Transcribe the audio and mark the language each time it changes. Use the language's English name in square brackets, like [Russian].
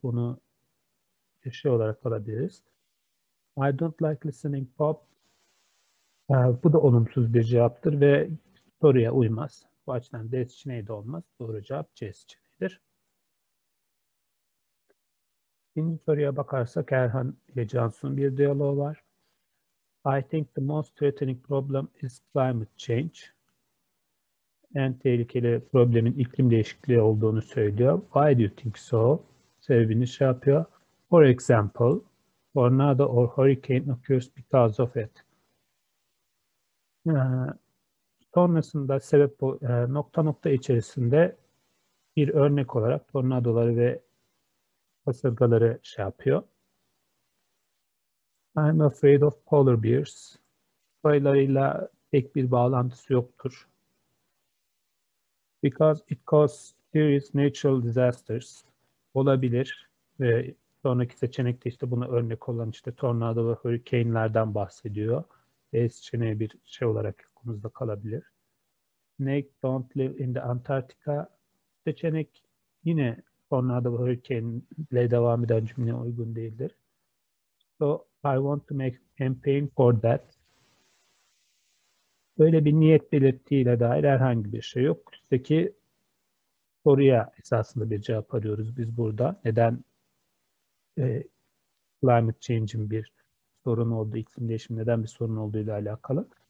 [Turkish] Bunu şey olarak alabiliriz. [English] I don't like listening pop. [Turkish] Bu da olumsuz bir cevaptır ve soruya uymaz. Bu açıdan D seçeneği de olmaz. Doğru cevap C seçeneğidir. İkinci soruya bakarsak Erhan ve Cansu'nun bir diyaloğu var. [English] I think the most threatening problem is climate change. [Turkish] En tehlikeli problemin iklim değişikliği olduğunu söylüyor. [English] Why do you think so? [Turkish] Sebebini şey yapıyor. [English] For example, tornado or hurricane occurs because of it. [Turkish] Sonrasında sebep nokta nokta içerisinde bir örnek olarak tornadoları ve kasırgaları şey yapıyor. [English] I'm afraid of polar bears. [Turkish] Sayılarıyla pek bir bağlantısı yoktur. [English] Because it causes serious natural disasters. [Turkish] Olabilir ve sonraki seçenekte işte buna örnek olan işte tornado ve hurricane'lerden bahsediyor. B seçeneği bir şey olarak aklımızda kalabilir. [English] Snake don't live in the Antarctica. [Turkish] Seçenek yine tornado ve hurricane'le devam eden cümleye uygun değildir. [English] So I want to make campaign for that. [Turkish] Böyle bir niyet belirttiğiyle dair herhangi bir şey yok. Üstteki soruya esasında bir cevap arıyoruz biz burada. Neden climate change'in bir sorun olduğu, iklim değişimi neden bir sorun olduğu ile alakalı.